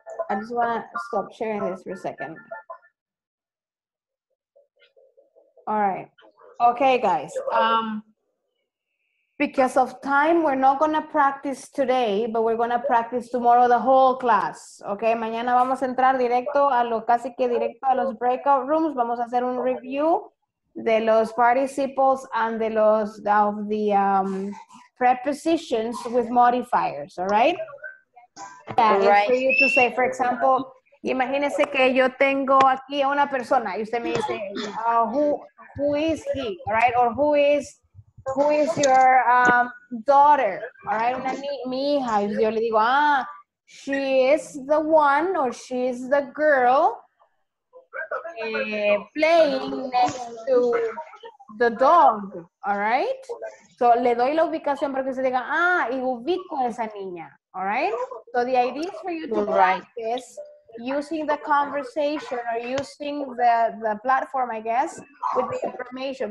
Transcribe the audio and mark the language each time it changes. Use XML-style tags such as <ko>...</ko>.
<en>I just want to stop sharing this for a second. All right. Okay, guys. Because of time, we're not going to practice today, but we're going to practice tomorrow the whole class.</en> <es>Okay, mañana vamos a entrar directo a lo casi que directo a los breakout rooms. Vamos a hacer un</es> <en>review de los participles and de los of the prepositions with modifiers. All right? Yeah, right. For you to say, for example,</en> <es>imagínese que yo tengo aquí a una persona y usted me dice,</es> <en>who is he? All right? Or who is your daughter? All right?</en> <es>Una mi hija. Y yo le digo,</es> <en>she is the one or she is the girl playing next to the dog. All right?</en> <es>So le doy la ubicación para que se diga, y ubico a esa niña.</es> <en>All right? So the idea is for you to practice using the conversation or using the platform, I guess, with the information.</en>